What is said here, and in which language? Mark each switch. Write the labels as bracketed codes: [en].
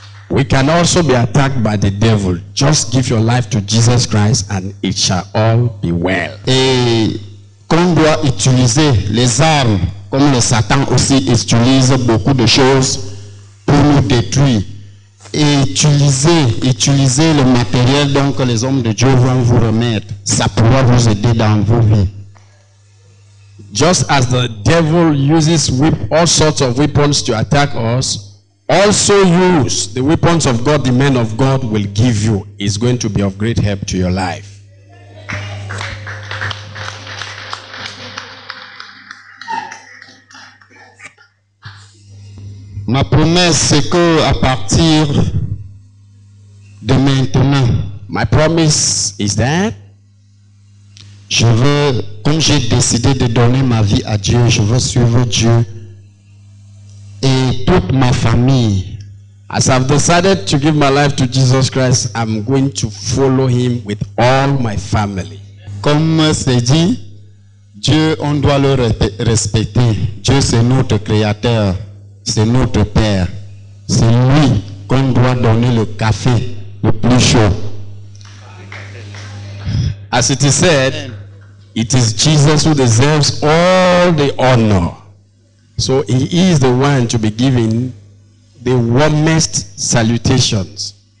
[en] We can also be attacked by the devil. Just give your life to Jesus Christ and it shall all be well. [fr] Et on doit utiliser les armes, comme le Satan aussi utilise beaucoup de choses pour nous détruire. Et utiliser le matériel donc que les hommes de Dieu vont vous remettre, ça pourra vous aider dans vos vies. [en] Just as the devil uses all sorts of weapons to attack us, also use the weapons of God, the men of God will give you. It's going to be of great help to your life. [fr] Ma promesse c'est que à partir de maintenant, [en] my promise is that [fr] je veux, comme j'ai décidé de donner ma vie à Dieu, je veux suivre Dieu et toute ma famille. [en] As I've decided to give my life to Jesus Christ, I'm going to follow him with all my family. [fr] Comme c'est dit, Dieu, on doit le respecter. Dieu c'est notre créateur. C'est notre Père. C'est lui qu'on doit donner le café le plus chaud. [en] As it is said, it is Jesus who deserves all the honor. So he is the one to be given the warmest salutations.